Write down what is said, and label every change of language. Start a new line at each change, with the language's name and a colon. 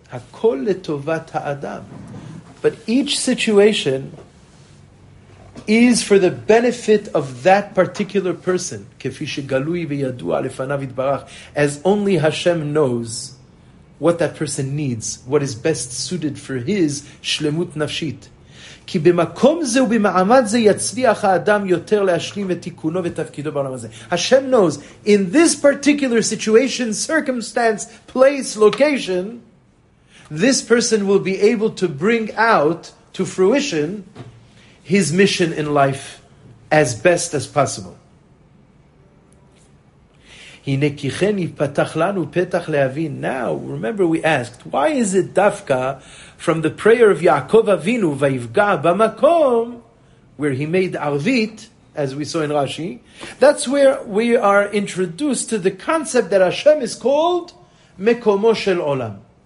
Hebrew: Hakol letovat ha'adam.
English: But each situation is for the benefit of that particular person.
Hebrew: Kefi shegalui v'yadua lefanav yitbarach.
English: As only Hashem knows what that person needs, what is best suited for his shlemut nafshit.
Hebrew: כי במקום זה ובמעמד זה יצליח האדם יותר להשלים את תיקונו ותפקידו בעולם הזה.
English: Hashem knows, in this particular situation, circumstance, place, location, this person will be able to bring out to fruition his mission in life as best as possible.
Hebrew: הנה כי כן יפתח לנו פתח להבין.
English: Now, remember we asked, why is it דווקא from the prayer of Yaakov Avinu, Vayivga, Bamakom, where he made Arvit, as we saw in Rashi, that's where we are introduced to the concept that Hashem is called Mekomo Shel Olam.